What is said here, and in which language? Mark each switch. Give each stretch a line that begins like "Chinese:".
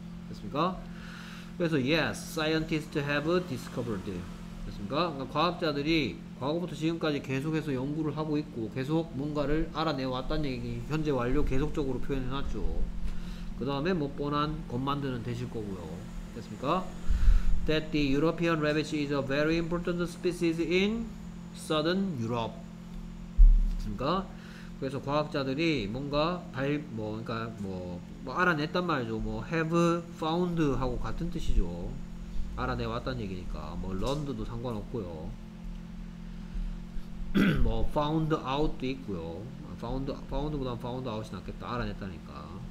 Korean: 됐습니까? 그래서
English: Yes, scientists have discovered.
Korean: 됐습니까? 그러니까 과학자들이 과거부터 지금까지 계속해서 연구를 하고 있고 계속 뭔가를 알아내왔다는 얘기 현재 완료 계속적으로 표현해놨죠. 그 다음에 뭐 뻔한 것 만드는 되실 거고요. 됐습니까?
English: That the European rabbit is a very important species in southern Europe.
Korean: 됐습니까? 그래서 과학자들이 뭔가 알아냈단 말이죠. 뭐 have found 하고 같은 뜻이죠. 알아내왔다는 얘기니까 뭐 learned도 상관없고요. 뭐 found out도 있고요. found보다 found out이 낫겠다. 알아냈다니까.